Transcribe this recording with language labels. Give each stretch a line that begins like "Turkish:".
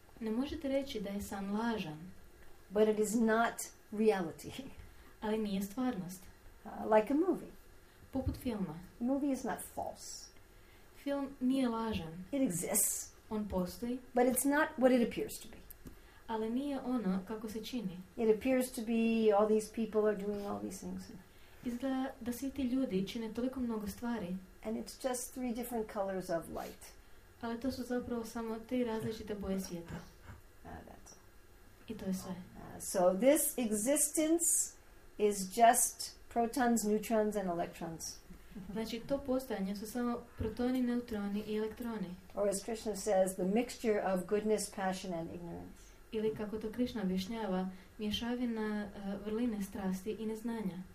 Croatian: Ne možete reći da je san lažan.
English: But it is not reality.
Croatian: Ali nije stvarnost.
English: Like a movie.
Croatian: Poput filma.
English: A movie is not false.
Croatian: Film nije lažan.
English: It exists.
Croatian: On postoji.
English: But it's not what it appears to be.
Croatian: Ali nije ono kako se čini.
English: It appears to be all these people are doing all these things.
Croatian: Izgleda da svi ti ljudi čine toliko mnogo stvari.
English: And it's just three different colors of light.
Croatian: Ali to su zapravo samo tri različite boje svijeta.
English: That's
Croatian: I to je sve.
English: So this existence is just protons, neutrons and electrons.
Croatian: Znači, to postojanje su samo protoni, neutroni i elektroni.
English: Or as Krishna says, the mixture of goodness, passion and ignorance.
Croatian: Ili kako to Krishna objašnjava, mješavina vrline strasti i neznanja.